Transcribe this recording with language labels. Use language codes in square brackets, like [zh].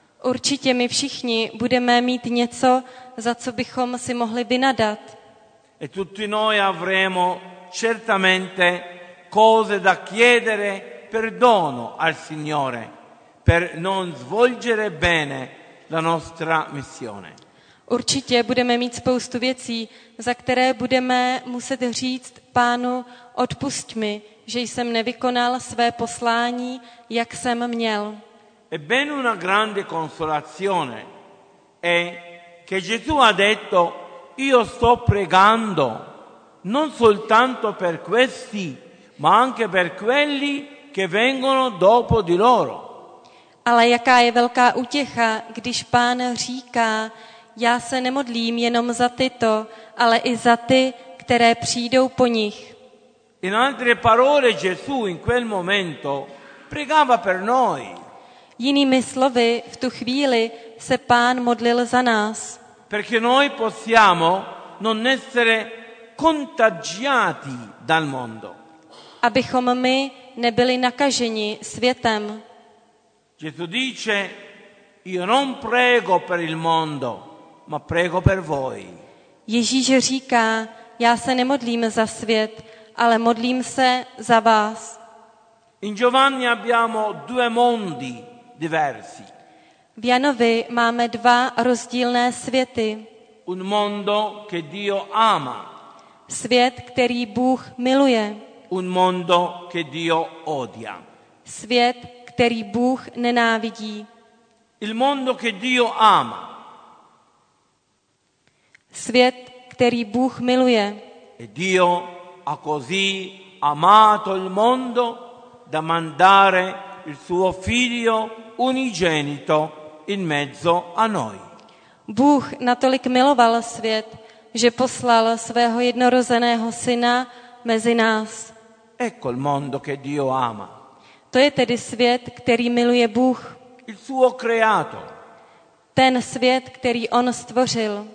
[cs] Určitě my všichni budeme mít něco, za co bychom si mohli vynadat. [it] E tutti noi avremo certamente cose da chiedere perdono al Signore per non svolgere bene la nostra missione. [cs] Určitě budeme mít spoustu věcí, za které budeme muset říct Pánu: "Odpusť mi, že jsem nevykonal své poslání, jak jsem měl." [it] E ben una grande consolazione è che Gesù ha detto: "Io sto pregando non soltanto per questi, ma anche per quelli che vengono dopo di loro." [cs] Ale jaká je velká útěcha, když Pán říká: "Já se nemodlím jenom za tyto, ale i za ty, které přijdou po nich." [it] In altre parole, Gesù in quel momento pregava per noi. [cs] Jinými slovy, v tu chvíli se Pán modlil za nás. [it] Perché noi possiamo non essere contagiati dal mondo. [cs] Abychom my nebyli nakaženi světem. [it] Gesù dice: Io non prego per il mondo, ma prego per voi. [cs] Ježíš říká: Já se nemodlím za svět, ale modlím se za vás. [it] In Giovanni abbiamo due mondi diversi. [cs] V Janovi máme dva rozdílné světy. [it] Un mondo che Dio ama. [cs] Svět, který Bůh miluje. [it] Un mondo che Dio odia. [cs] Svět, který Bůh nenávidí. [it] Il mondo che Dio ama. [cs] Svět, který Bůh miluje. [it] E Dio ha così amato il mondo da mandare il suo figlio unigenito in mezzo a noi. [cs] Bůh natolik miloval svět, že poslal svého jednorozeného syna mezi nás. [it] Ecco il mondo che Dio ama. [cs] To je tedy svět, který miluje Bůh. [it] Il suo creato. [cs] Ten svět, který on stvořil.